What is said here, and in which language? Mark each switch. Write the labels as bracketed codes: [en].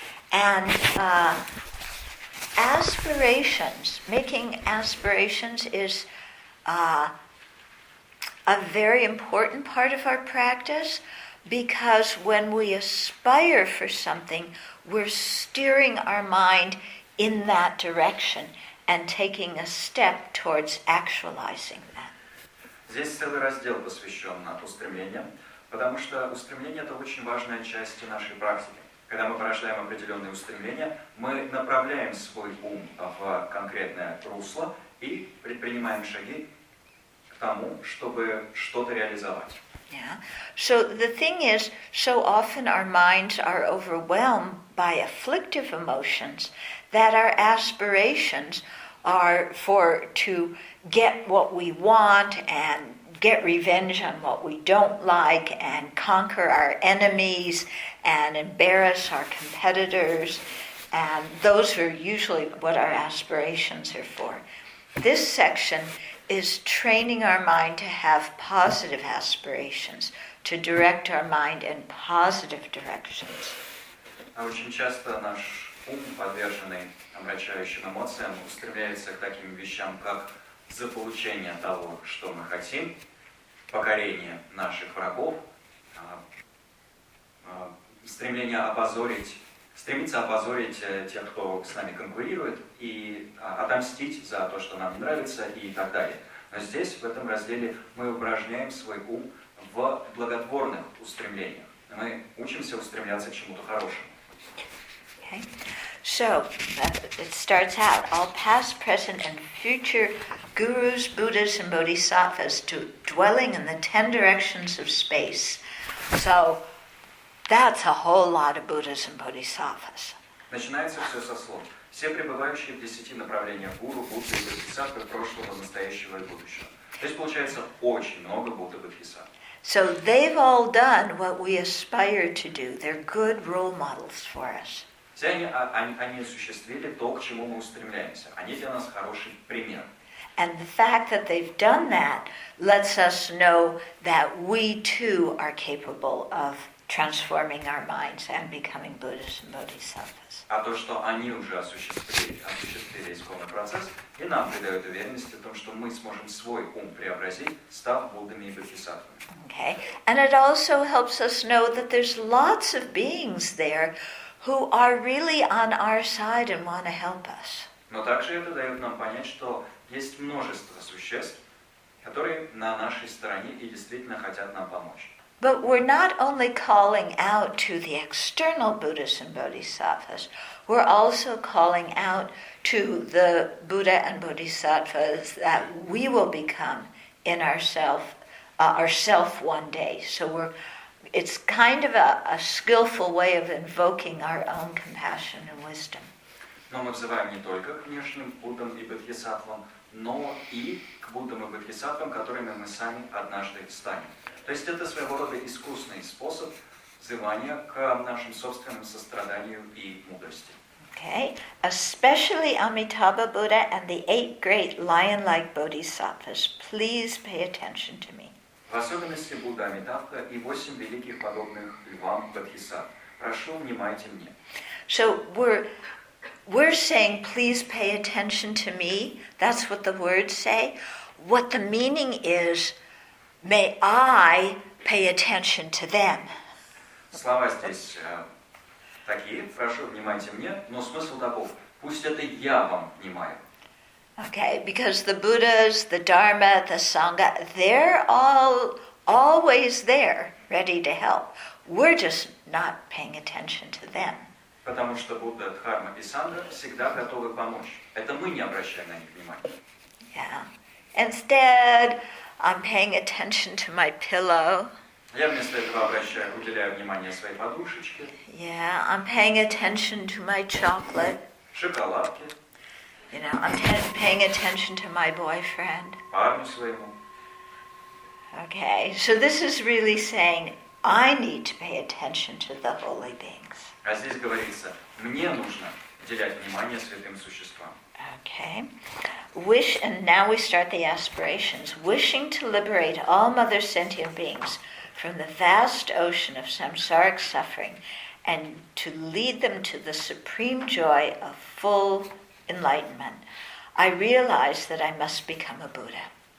[en] And aspirations, making aspirations is a very important part of our practice, because when we aspire for something, we're steering our mind in that direction and taking a step towards actualizing that. [ru] Здесь целый раздел посвящен устремлениям, потому что устремление — это очень важная часть нашей практики. Когда мы порождаем определенные устремления, мы направляем свой ум в конкретное русло и предпринимаем шаги тому, чтобы что-то реализовать. [en] Yeah. So the thing is, so often our minds are overwhelmed by afflictive emotions that our aspirations are for to get what we want and get revenge on what we don't like and conquer our enemies and embarrass our competitors, and those are usually what our aspirations are for. This section is training our mind to have positive aspirations, to direct our mind in positive directions. [ru] Очень часто наш ум, подверженный омрачающим эмоциям, устремляется к таким вещам, как заполучение того, что мы хотим, покорение наших врагов, стремление опозорить, стремиться опозорить тех, кто с нами конкурирует, и отомстить за то, что нам не нравится, и так далее. Но здесь, в этом разделе, мы упражняем свой ум в благотворных устремлениях. Мы учимся устремляться к чему-то хорошему. [en] Okay. So, it starts out, all past, present, and future gurus, buddhas, and bodhisattvas dwelling in the 10 directions of space. So, that's a whole lot of buddhas and bodhisattvas. [ru] Начинается все со слов. Все пребывающие в 10 направлениях гуру, будды и бодхисаттвы прошлого, настоящего и будущего. То есть получается очень много будды и бодхисаттв. [en] So they've all done what we aspire to do. They're good role models for us. [ru] Все они осуществили то, к чему мы устремляемся. Они для нас хороший пример. [en] And the fact that they've done that lets us know that we too are capable of transforming our minds and becoming Buddhas and Bodhisattvas. [ru] А то, что они уже осуществили исконный процесс, и нам придает уверенность в том, что мы сможем свой ум преобразить, став Буддами и Бодхисаттвами. [en] Okay. And it also helps us know that there's lots of beings there who are really on our side and want to help us. [ru] Но также это дает нам понять, что есть множество существ, которые на нашей стороне и действительно хотят нам помочь. [en] But we're not only calling out to the external Buddhas and Bodhisattvas, we're also calling out to the Buddha and Bodhisattvas that we will become in ourself one day. So it's kind of a skillful way of invoking our own compassion and wisdom. [ru] Но мы взываем не только к внешним Буддам и Бодхисаттвам, но и к Буддам и Бодхисаттвам, которыми мы сами однажды станем. То есть это своего рода искусный способ взывания к нашим собственным состраданиям и мудрости. [en] Okay, especially Amitabha Buddha and the eight great lion-like bodhisattvas, please pay attention to me. [ru] В особенности Будда Амитабха и восемь великих подобных львам бодхисаттв. Прошу, внимайте мне. [en] So we're saying, please pay attention to me. That's what the words say. What the meaning is, may I pay attention to them. [ru] Слова здесь такие, прошу, внимайте мне, но смысл таков, пусть это я вам внимаю. [en] Okay, because the Buddhas, the Dharma, the Sangha, they're all always there, ready to help. We're just not paying attention to them. [ru] Потому что Будда, Дхарма и Сангха всегда готовы помочь. Это мы не обращаем на них внимания. [en] Yeah. Instead, I'm paying attention to my pillow. [ru] Я вместо этого обращаю, уделяю внимание своей подушечке. [en] Yeah, I'm paying attention to my chocolate. [ru] Шоколадке. [en] You know, I'm paying attention to my boyfriend. [ru] Парню своему. [en] Okay, so this is really saying, I need to pay attention to the holy beings. [ru] А здесь говорится, мне нужно уделять внимание святым существам. [en] Okay. Wish, and now we start the aspirations. Wishing to liberate all mother sentient beings from the vast ocean of samsaric suffering and to lead them to the supreme joy of full enlightenment, I realize that I must become a Buddha.